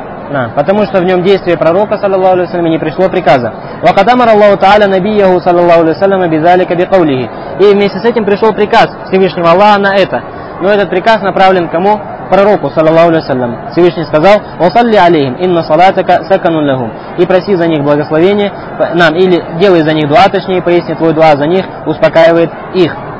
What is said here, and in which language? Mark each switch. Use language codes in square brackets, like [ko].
[ru] Да, потому что в нем действие пророка, саллаллаху алейхи ва саллям, не пришло приказа. [ar] وقد أمر الله تعالى نبيه صلى الله عليه وسلم بذلك بقوله. [ru] И вместе с этим пришел приказ Всевышнего Аллаха на это. Но этот приказ направлен кому? Пророку, саллаллаху алейхи ва саллям. Всевышний сказал: [ar] «Усалли алейхим, инна салатака саканун лахум». [ru] И проси за них благословение нам, или делай за них дуа, точнее, поясни, твой дуа за них успокаивает их.